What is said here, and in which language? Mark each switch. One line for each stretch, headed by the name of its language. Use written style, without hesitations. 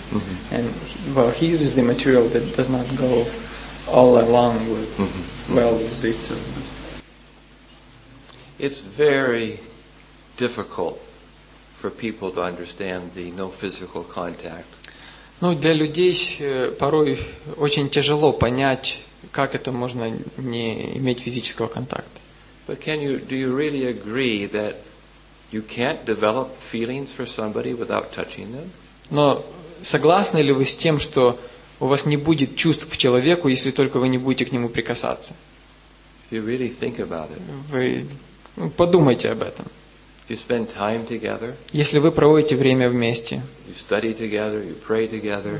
English: Mm-hmm. And he uses the material that does not go all along with with this syllabus. It's very difficult for people to understand the no physical contact.
Russian: Ну, для людей порой очень тяжело понять, как это можно не иметь физического контакта.
English: But do you really agree that you can't develop feelings for somebody without touching them?
Russian: Но согласны ли вы с тем, что у вас не будет чувств к человеку, если только вы не будете к нему прикасаться?
English: If you really think about it.
Russian: Вы подумайте об этом.
English: You spend time together.
Russian: Если вы проводите время вместе.
English: You study together, you pray together.